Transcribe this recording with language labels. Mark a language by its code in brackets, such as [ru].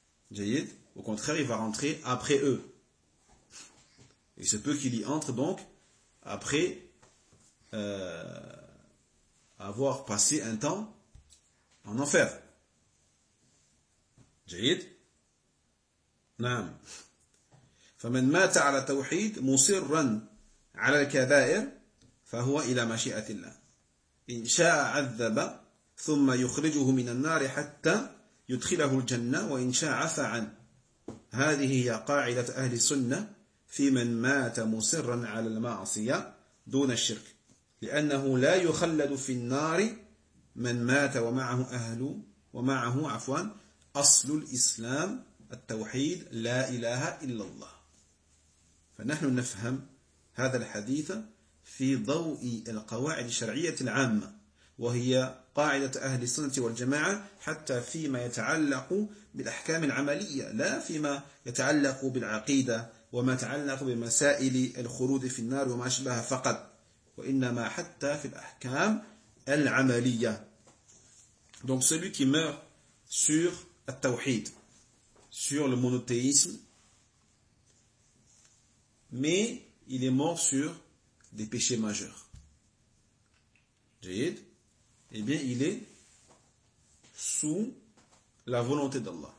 [fr] Jayid, au contraire, il va rentrer après eux. Il se peut qu'il y entre donc après avoir passé un temps en enfer. [ar] Jayid? Naam. فمن مات على توحيد مصرا على الكبائر فهو الى مشيئة الله. إن شاء عذب ثم يخرجه من النار حتى يدخله الجنة وإن شاء عفا عنه. هذه هي قاعدة أهل السنة في من مات مصرا على المعصية دون الشرك. لأنه لا يخلد في النار من مات ومعه أهل ومعه عفوا أصل الإسلام التوحيد لا إله إلا الله. فنحن نفهم هذا الحديث في ضوء القواعد الشرعية العامة وهي قاعدة أهل السنة والجماعة حتى فيما يتعلق بالأحكام العملية لا فيما يتعلق بالعقيدة وما يتعلق بمسائل الخلود في النار وما شبهها فقط وإنما حتى في الأحكام العملية. [fr] Donc celui qui meurt sur التوحيد, sur le monothéisme, mais il est mort sur des péchés majeurs. جيد؟ Eh bien, il est sous la volonté d'Allah.